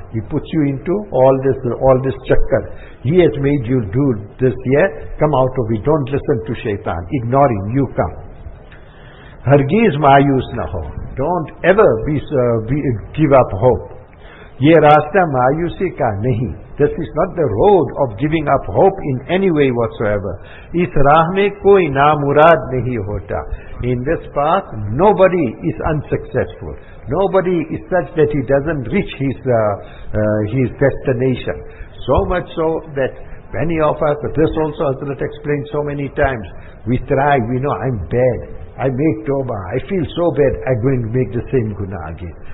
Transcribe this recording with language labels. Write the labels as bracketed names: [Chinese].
[English] He puts you into all this chakkar. He has made you do this here. Come out of it. Don't listen to shaitan. Ignore him. You come. [Urdu] ہرگیز مایوس نہ ہو. [English] Don't ever be give up hope. [Urdu] یہ راستہ مایوسی کا نہیں. [English] This is not the road of giving up hope in any way whatsoever. [Urdu] اس راہ میں کوئی نامراد نہیں ہوتا. [English] In this path, nobody is unsuccessful. Nobody is such that he doesn't reach his destination. So much so that many of us, but this also Hazrat explained so many times, we try, we know I'm bad. I make tawbah, I feel so bad, I'm going to make the same guna again.